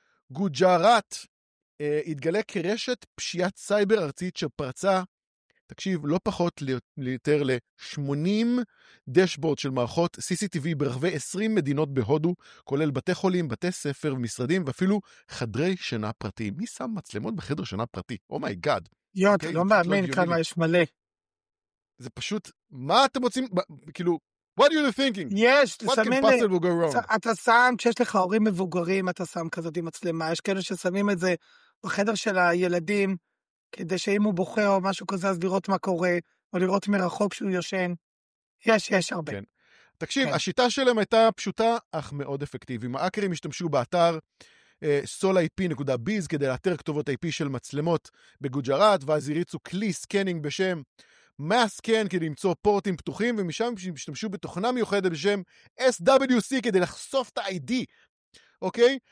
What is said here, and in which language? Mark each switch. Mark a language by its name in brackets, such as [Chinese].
[Hebrew] גוג'ארט, התגלה כרשת פשיעת סייבר ארצית שפרצה, תקשיב, לא פחות ליותר ל-80 דשבורד של מערכות CCTV ברחבי 20 מדינות בהודו, כולל בתי חולים, בתי ספר, משרדים ואפילו חדרי שינה פרטי. מי שם מצלמות בחדר שינה פרטי? [English] אומי גאד. [Hebrew] יו, אתה לא מאמין כמה יש מלא. זה פשוט, מה אתם רוצים? כאילו, [English] what are you thinking? [Hebrew] יש, תסמין לי. [English] What can possible go wrong? [Hebrew] אתה שם, כשיש לך הורים מבוגרים, אתה שם כזאת עם מצלמה. יש כאלה ששמים את זה בחדר של הילדים, כדי שאם הוא בוכה או משהו כזה, אז לראות מה קורה. או לראות מרחוק שהוא יושן. יש הרבה. כן. תקשיב, כן. השיטה שלהם הייתה פשוטה, אך מאוד אפקטיביים. האקרים השתמשו באתר solip.biz כדי לאתר כתובות IP של מצלמות בגוג'רת, ואז הריצו כלי סקנינג בשם מסקן כדי למצוא פורטים פתוחים, ומשם השתמשו בתוכנה מיוחדת בשם SWC כדי לחשוף את ה-ID. אוקיי?